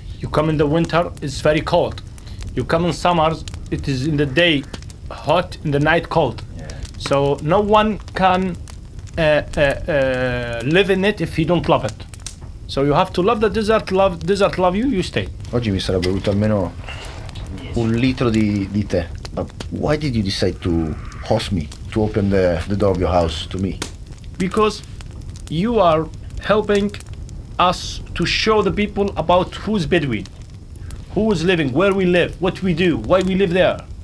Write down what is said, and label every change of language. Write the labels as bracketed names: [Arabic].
[English] You come in the winter, it's very cold. You come in summer, it is in the day hot, in the night cold. Yeah. So no one can live in it if he don't love it. So you have to love the desert, love you, you stay. [Italian] Oggi mi sarebbe voluto almeno un litro di tè. [English] But why did you decide to host me, to open the door of your house to me? Because you are helping us to show the people about who's Bedouin, who is living, where we live, what we do, why we live there.